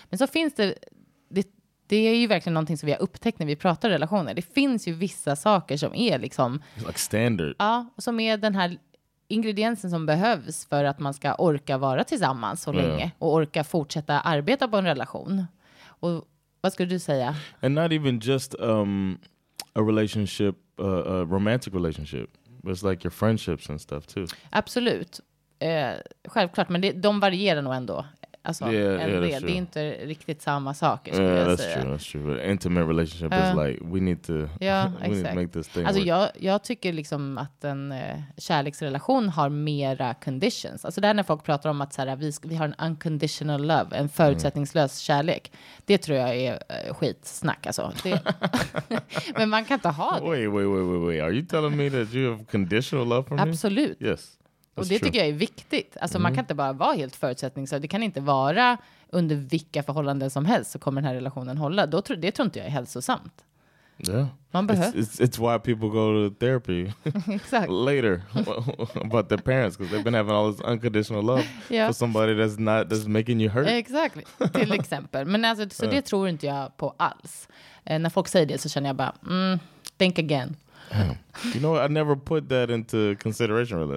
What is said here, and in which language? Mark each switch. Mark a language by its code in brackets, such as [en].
[sv] Men så finns det är ju verkligen någonting som vi har upptäckt när vi pratar relationer. Det finns ju vissa saker som är liksom, [en] like standard. [sv] Ja, som är den här ingrediensen som behövs för att man ska orka vara tillsammans så länge och orka fortsätta arbeta på en relation. Och vad skulle du säga? [en] And not even just a relationship, a romantic relationship. But it's like your friendships and stuff too. [sv] Absolut. Självklart, men de varierar nog ändå. Alltså, det är inte riktigt samma saker, skulle jag [en] that's [sv] säga. [en] True, that's true. Intimate relationship is like, we need to, we need to make this thing [sv] alltså [en] work. [sv] Jag tycker liksom att en kärleksrelation har mera conditions. Alltså där när folk pratar om att så här, vi har en unconditional love, en förutsättningslös kärlek. Det tror jag är skitsnack, alltså. Men man kan inte ha det. [en] Wait. Are you telling me that you have conditional love for me? [sv] Absolut. [en] Yes. [sv] Och det tycker jag är viktigt. Alltså man kan inte bara vara helt förutsättningslös. Det kan inte vara under vilka förhållanden som helst så kommer den här relationen hålla. Det tror inte jag är hälsosamt. [en] Yeah. [sv] Man behöver. [en] It's why people go to therapy. [sv] Exakt. [en] Later. About their parents, because they've been having all this unconditional love for somebody that's making you hurt. [sv] Exakt. Till exempel. Men alltså, så det tror inte jag på alls. När folk säger det så känner jag bara, [en] think again. Damn. You know, I never put that into consideration, really.